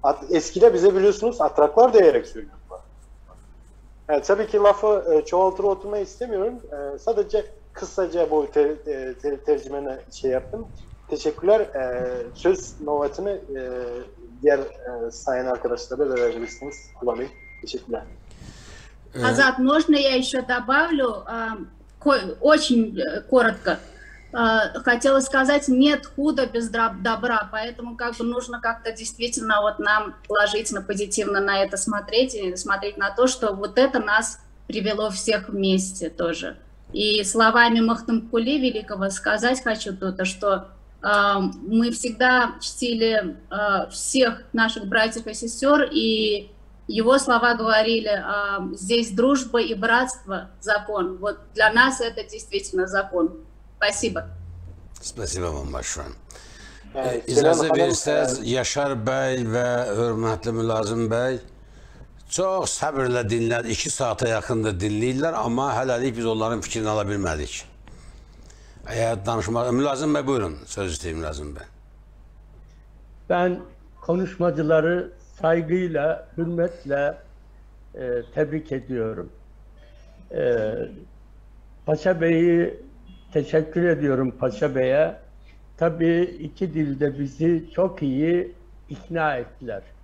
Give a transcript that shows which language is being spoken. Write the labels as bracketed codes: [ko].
[tr] Eskide bize biliyorsunuz atraklar diyerek söylüyorlar. Evet, tabii ki lafı çoğaltır oturmayı istemiyorum. Sadece kısaca bu tercümeni şey yaptım. Teşekkürler. Söz nöbetini diğer sayın arkadaşlara da verebilirsiniz. Kullanayım. Teşekkürler. [ru] Azat, можно я еще добавлю очень коротко. Хотела сказать, нет худа без добра, поэтому как бы нужно как-то действительно вот нам положительно, позитивно на это смотреть и смотреть на то, что вот это нас привело всех вместе тоже. И словами Махтамкули Великого сказать хочу тут, что мы всегда чтили всех наших братьев и сестер, и его слова говорили, здесь дружба и братство – закон. Вот для нас это действительно закон. Спасибо. Спасибо вам большое. [az] İzləzə bilirsiniz, Yaşar bəy və hörmətli Mülazim bəy çox səbirlə dinlədi. 2 saata yaxındır dinləyirlər, amma hələlik biz onların fikrini ala bilmədik. Əgər danışmaq... Mülazim bəy, buyurun, söz istəyir Mülazim bəy. [tr] Ben konuşmacıları saygıyla, hürmətlə təbrik ediyorum. Paşa Bey'i teşekkür ediyorum Paşa Bey'e. Tabii iki dilde bizi çok iyi ikna ettiler.